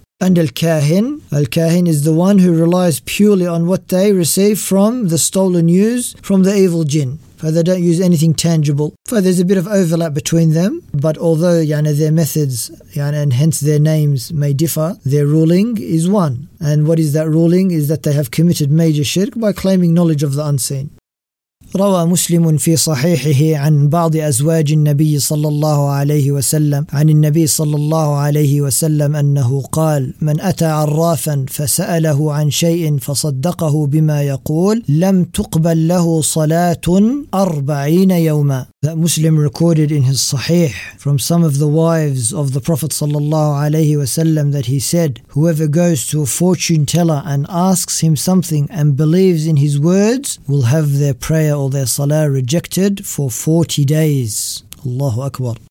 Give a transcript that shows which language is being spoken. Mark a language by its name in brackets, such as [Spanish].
[English] And al-kahin. Al-kahin is the one who relies purely on what they receive from the stolen news from the evil jinn. For they don't use anything tangible. For there's a bit of overlap between them. But although their methods and hence their names may differ, their ruling is one. And what is that ruling? Is that they have committed major shirk by claiming knowledge of the unseen. [Arabic] روى مسلم في صحيحه عن بعض أزواج النبي صلى الله عليه وسلم عن النبي صلى الله عليه وسلم أنه قال من أتى عرافا فسأله عن شيء فصدقه بما يقول لم تقبل له صلاة 40 يوما. [English] That Muslim recorded in his Sahih from some of the wives of the Prophet sallallahu alaihi wasallam that he said, whoever goes to a fortune teller and asks him something and believes in his words will have their prayer or their salah rejected for 40 days. Allahu Akbar.